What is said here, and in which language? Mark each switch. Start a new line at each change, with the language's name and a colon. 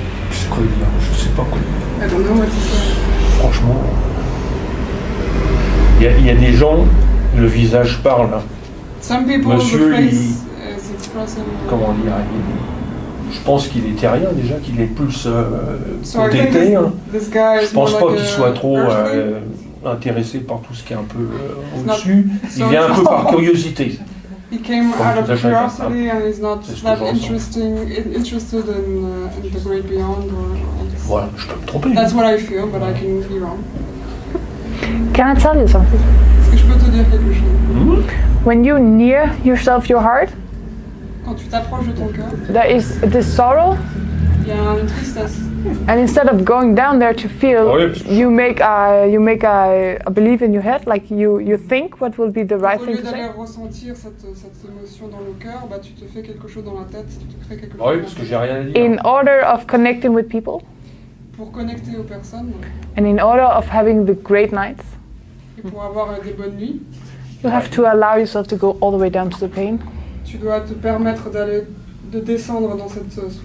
French: C'est quoi là? Je sais pas quoi. Franchement, il y a des gens, le visage parle. Monsieur, il, comment dire, je pense qu'il est terrien déjà, qu'il est plus d'été. Je pense pas qu'il soit trop. Intéressé par tout ce qui est un peu au-dessus,
English: so
French: il vient un peu par curiosité.
English: He came out of curiosity and he's not that interested in the great beyond or all
French: this. Voilà, je peux me tromper.
English: That's what I feel, but I can be wrong. Can I tell you something?
French: Est-ce que je peux te dire quelque chose?
English: When you near yourself your heart,
French: quand tu t'approches de ton cœur,
English: there is this sorrow.
French: Il y a une tristesse.
English: And instead of going down there to feel, you make a belief in your head, like you think what will be the right thing to say.
French: Au lieu d'aller ressentir cette émotion dans le cœur, bah tu te fais quelque chose dans la tête, tu te crées quelque chose. Oui, parce que j'ai rien à dire.
English: In order of connecting with people.
French: Pour connecter aux personnes.
English: And in order of having the great nights.
French: Et pour avoir des bonnes nuits.
English: You have to allow yourself to go all the way down to the pain.
French: Tu dois te permettre d'aller de descendre dans cette souffrance.